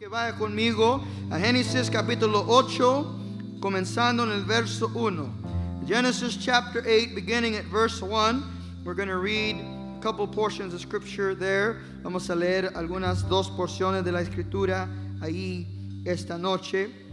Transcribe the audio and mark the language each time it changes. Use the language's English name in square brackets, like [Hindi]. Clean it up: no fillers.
[Spanish] vaya conmigo a Génesis capítulo 8, comenzando en el verso 1. [English] Genesis chapter 8, beginning at verse 1. We're going to read a couple portions of scripture there. [Spanish] Vamos a leer algunas dos porciones de la escritura ahí esta noche.